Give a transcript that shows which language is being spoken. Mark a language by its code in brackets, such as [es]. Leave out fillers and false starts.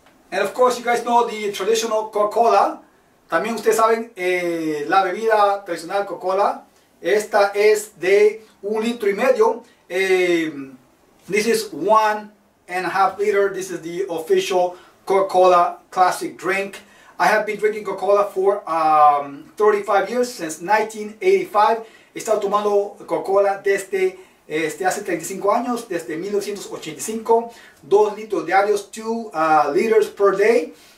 [en] And of course, you guys know the traditional Coca-Cola. [es] También ustedes saben la bebida tradicional Coca-Cola. Esta es de un litro y medio. [en] This is 1.5 liter. This is the official Coca-Cola classic drink. I have been drinking Coca-Cola for 35 years, since 1985. [es] He estado tomando Coca-Cola desde hace 35 años, desde 1985, 2 litros diarios, [en] 2 liters per day.